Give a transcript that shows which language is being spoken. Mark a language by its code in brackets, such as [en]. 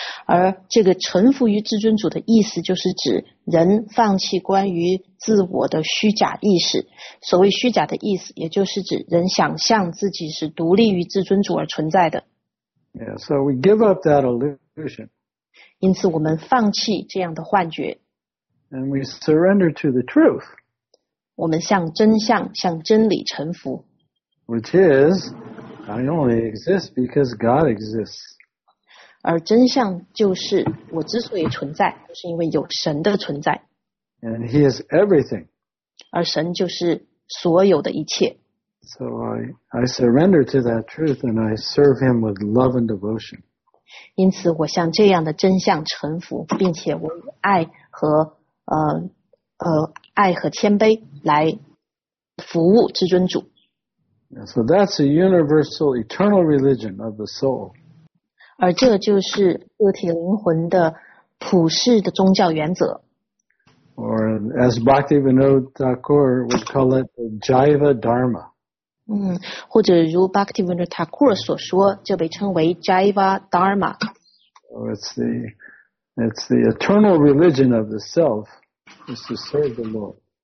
[zh] 而这个臣服于至尊主的意思，就是指人放弃关于自我的虚假意识。所谓虚假的意思，也就是指人想象自己是独立于至尊主而存在的。 [en] Yeah, so we give up that illusion. [zh] 因此我们放弃这样的幻觉。 [en] And we surrender to the truth. [zh] 我们向真相, 向真理臣服。 [en] Which is, I only exist because God exists. [zh] 而真相就是, 我之所以存在, 就是因为有神的存在。 [en] And he is everything. [zh] 而神就是所有的一切。 [en] So I surrender to that truth and I serve him with love and devotion. [zh] 因此我向这样的真相臣服,并且我以爱和谦卑来服务至尊主。 [en] So that's a universal eternal religion of the soul. [zh] 而这就是个体灵魂的普世的宗教原则。 [en] Or as Bhaktivinoda Thakur would call it, the Jiva Dharma. [zh] 或者如 Bhaktivinoda Thakur 所说, 就被称为 Jiva Dharma. [en] It's the eternal religion of the self, is to serve the Lord.